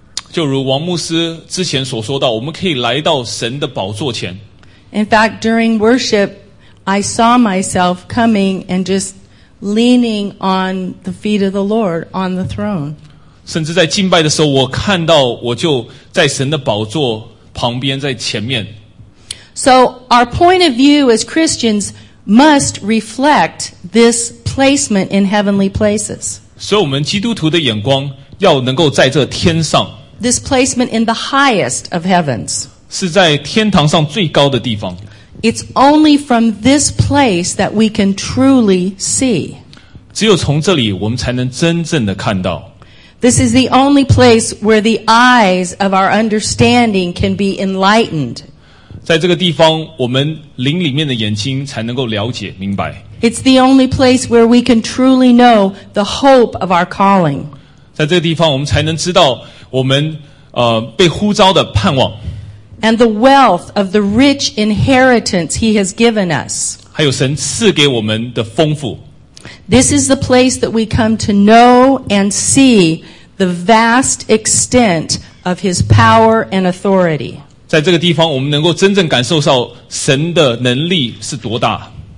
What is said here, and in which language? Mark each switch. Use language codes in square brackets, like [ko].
[zh] 就如王牧师之前所说到，我们可以来到神的宝座前。 [en] In fact, during worship,I saw myself coming and just leaning on the feet of the Lord on the throne. [zh] 甚至在敬拜的时候，我看到我就在神的宝座旁边，在前面。 [en] So our point of view as Christians must reflect this placement in heavenly places. [zh] 所以我们基督徒的眼光要能够在这天上。 [en] This placement in the highest of heavens. [zh] 是在天堂上最高的地方。 [en] It's only from this place that we can truly see. [zh] 只有从这里我们才能真正的看到。 [en] This is the only place where the eyes of our understanding can be enlightened. [zh] 在这个地方我们灵里面的眼睛才能够了解明白。 [en] It's the only place where we can truly know the hope of our calling. [zh] 在这个地方我们才能知道我们被呼召的盼望。 [en] And the wealth of the rich inheritance He has given us. [zh] 还有神赐给我们的丰富。 [en] This is the place that we come to know and see the vast extent of His power and authority. [zh] 在这个地方我们能够真正感受到神的能力是多大。